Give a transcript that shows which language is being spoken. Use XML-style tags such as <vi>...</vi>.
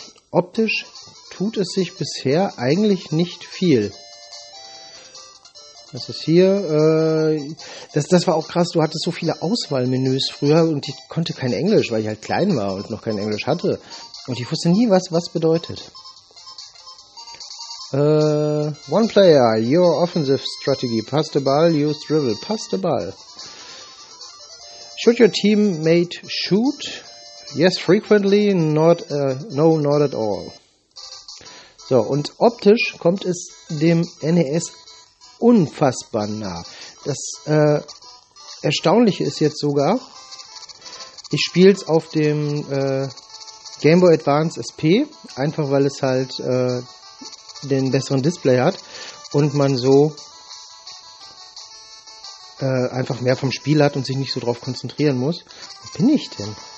<de>optisch tut es sich bisher eigentlich nicht viel. Das ist hier, das war auch krass, du hattest so viele Auswahlmenüs früher und ich konnte kein Englisch, weil ich halt klein war und noch kein Englisch hatte. Und ich wusste nie, was bedeutet.</de> <en>One player, your offensive strategy, pass the ball, use dribble, pass the ball. Should your teammate shoot? Yes, frequently, not at all.</en> <de>So, und optisch kommt es dem NES unfassbar nah. Das Erstaunliche ist jetzt sogar, ich spiele es auf dem Game Boy Advance SP, einfach weil es halt den besseren Display hat und man so einfach mehr vom Spiel hat und sich nicht so drauf konzentrieren muss. Wo bin ich denn?</de>